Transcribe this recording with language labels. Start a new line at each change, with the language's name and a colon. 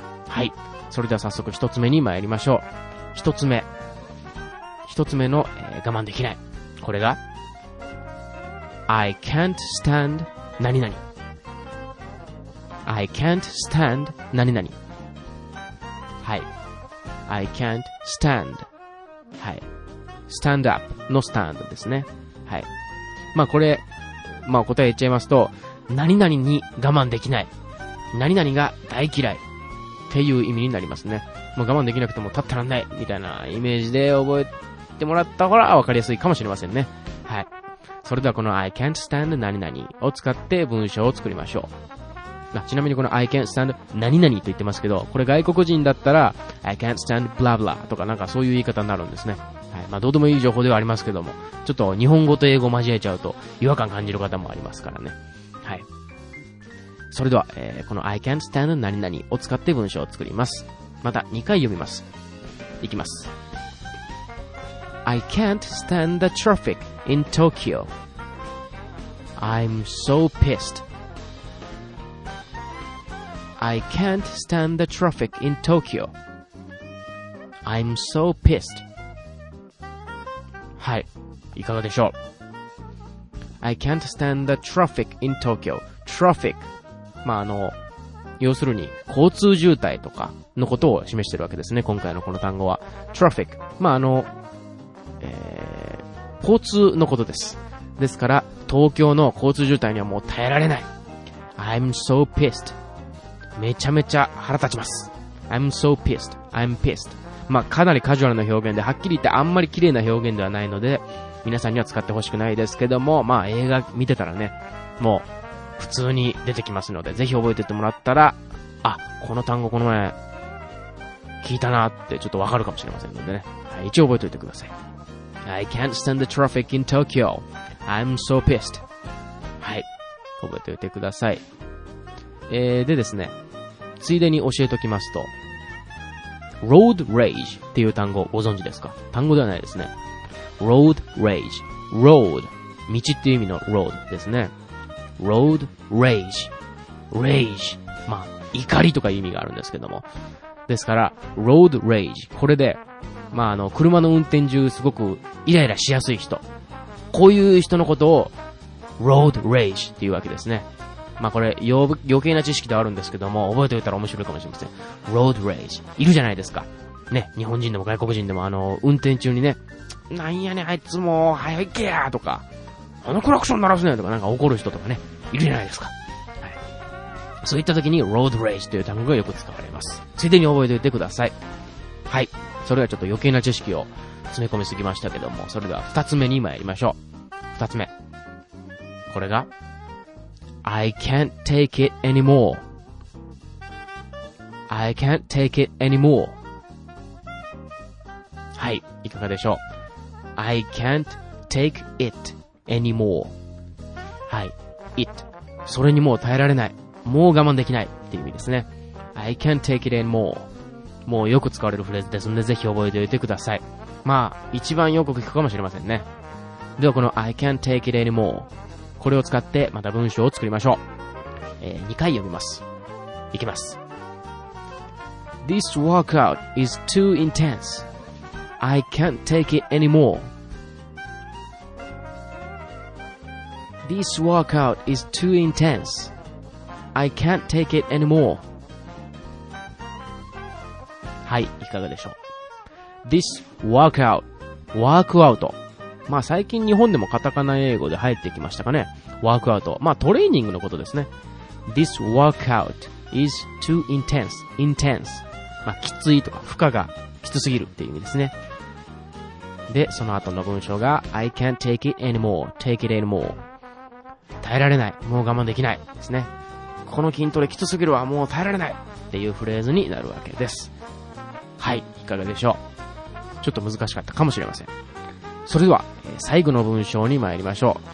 Japanese: はい、それでは早速一つ目に参りましょう。一つ目の、我慢できない、これが
English: I can't stand
Japanese: 何々。 I can't stand 何々。はい、
English: I can't stand、
Japanese: はい、 stand up の stand ですね。はい、まあこれ、まあ答え言っちゃいますと、何々に我慢できない、何々が大嫌いっていう意味になりますね。もう我慢できなくても立ってらんないみたいなイメージで覚えてもらったほうが分かりやすいかもしれませんね。はい、それではこの
English: I can't stand
Japanese: 何々を使って文章を作りましょう。まあ、ちなみにこの
English: I can't stand
Japanese: 何々と言ってますけど、これ外国人だったら
English: I can't stand blah blah
Japanese: とかなんかそういう言い方になるんですね。はい、まあ、どうでもいい情報ではありますけども、ちょっと日本語と英語を交えちゃうと違和感感じる方もありますからね。はい、それでは、この
English: I can't stand
Japanese: 何々を使って文章を作ります。また2回読みます。いきます。
English: I can't stand the traffic in Tokyo. I'm so pissed. I can't stand the traffic in Tokyo. I'm so pissed.
Japanese: はい、いかがでしょう。
English: I can't stand the traffic in Tokyo.
Japanese: Traffic、まあ、要するに交通渋滞とかのことを示してるわけですね。今回のこの単語は traffic、まあ交通のことです。ですから東京の交通渋滞にはもう耐えられない。
English: I'm so pissed、
Japanese: めちゃめちゃ腹立ちます。
English: I'm so pissed、 I'm pissed、
Japanese: まあかなりカジュアルな表現で、はっきり言ってあんまり綺麗な表現ではないので皆さんには使ってほしくないですけども、まあ映画見てたらね、もう普通に出てきますので、ぜひ覚えててもらったら、あ、この単語この前聞いたなってちょっとわかるかもしれませんのでね、はい、一応覚えておいてください。
English: I can't stand the traffic in Tokyo. I'm so pissed.
Japanese: はい、覚えておいてください。でですね、ついでに教えておきますと、 Road Rage っていう単語ご存知ですか。単語ではないですね。 Road Rage、 Road、 道っていう意味の Road ですね。 Road Rage、 Rage、 まあ怒りとかいう意味があるんですけども、ですから Road Rage、 これでまあ車の運転中すごくイライラしやすい人、こういう人のことを Road Rage っていうわけですね。まあこれ余計な知識ではあるんですけども、覚えておいたら面白いかもしれません。 Road Rage いるじゃないですかね、日本人でも外国人でも、運転中にね、なんやねあいつも早行けやとか、あのクラクション鳴らすねとか、なんか怒る人とかね、いるじゃないですか。はい、そういった時に Road Rage という単語がよく使われます。ついでに覚えておいてください。はい、それではちょっと余計な知識を詰め込みすぎましたけども、それでは二つ目に参りましょう。二つ目、これが
English: I can't take it anymore. I can't take it anymore.
Japanese: はい、いかがでしょう。
English: I can't take itanymore。
Japanese: はい、 it、 それにもう耐えられない、もう我慢できないっていう意味ですね。
English: I can't take it anymore、
Japanese: もうよく使われるフレーズですので、ぜひ覚えておいてください。まあ一番よく聞くかもしれませんね。ではこの
English: I can't take it anymore、
Japanese: これを使ってまた文章を作りましょう。2回読みます。いきます。
English: This workout is too intense. I can't take it anymoreThis workout is too intense. I can't take it anymore.
Japanese: はい、いかがでしょう。 This workout、 ワークアウト、まあ最近日本でもカタカナ英語で入ってきましたかね。ワークアウト、まあトレーニングのことですね。
English: This workout is too intense.
Japanese: Intense、 まあきついとか負荷がきつすぎるっていう意味ですね。でその後の文章が
English: I can't take it anymore. Take it anymore、
Japanese: 耐えられない、もう我慢できないですね。この筋トレきつすぎるわ、もう耐えられないっていうフレーズになるわけです。はい、いかがでしょう。ちょっと難しかったかもしれません。それでは最後の文章に参りましょう。